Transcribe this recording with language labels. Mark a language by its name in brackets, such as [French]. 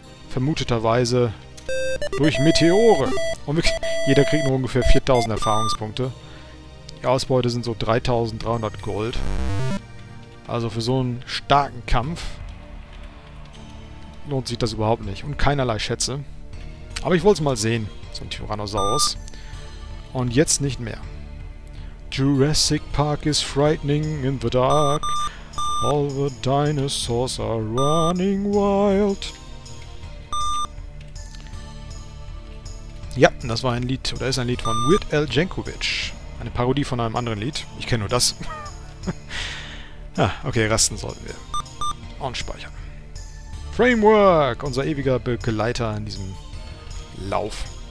[German] Vermuteterweise durch Meteore. Und jeder kriegt nur ungefähr 4000 Erfahrungspunkte. Die Ausbeute sind so 3300 Gold. Also für so einen starken Kampf lohnt sich das überhaupt nicht. Und keinerlei Schätze. Aber ich wollte es mal sehen, so ein Tyrannosaurus. Und jetzt nicht mehr. [English] Jurassic Park is frightening in the dark. All the dinosaurs are running wild. [German] Ja, das war ein Lied, oder ist ein Lied von Weird Al Yankovic. Eine Parodie von einem anderen Lied. Ich kenne nur das. Ah, okay, rasten sollten wir. Und speichern. Framework, unser ewiger Begleiter in diesem Lauf.